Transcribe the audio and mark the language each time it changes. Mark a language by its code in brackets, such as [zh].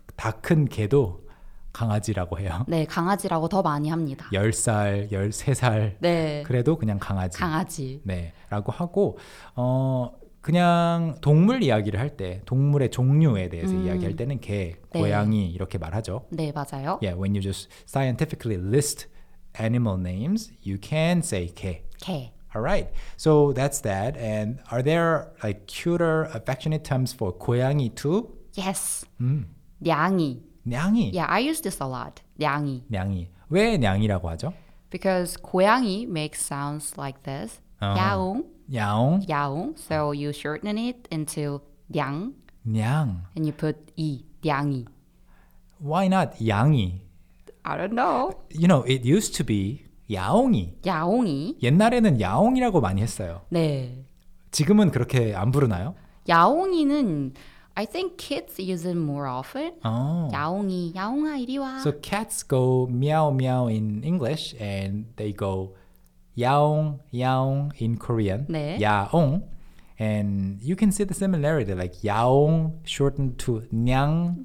[ko] 다 큰 개도 강아지라고 해요. 네, 강아지라고 더 많이 합니다. 10살, 13살. 네. 그래도 그냥 강아지. 강아지. 네. 라고 하고, 그냥 동물 이야기를 할 때, 동물의 종류에 대해서 이야기할 때는 개, 고양이 네. 이렇게 말하죠. 네, 맞아요. [en] Yeah, when you just scientifically list animal names, you can say 개. [ko] 개. [en] Alright, so that's that. And are there like cuter, affectionate terms for 고양이 too? Yes. [ko] 냥이. 냥이. [en] Yeah, I use this a lot. 냥이. [ko] 냥이. 왜 냥이라고 하죠? [en] Because 고양이 makes sounds like this. 야옹. [ko] 야옹. [en] 야옹. So you shorten it into 냥. [ko] 냥. [en] And you put 이, 냥이. Why not 냥이? I don't know. You know, it used to be 야옹이. [ko] 야옹이. 옛날에는 야옹이라고 많이 했어요. 네. 지금은 그렇게 안 부르나요? [en] 야옹이는 I think kids use it more often. [ko] 어. 야옹이, 야옹아 이리 와. [en] So cats go meow meow in English and they go 야옹, 야옹 in Korean. [ko] 네. 야옹. [en] And you can see the similarity like 야옹 shortened to 냥.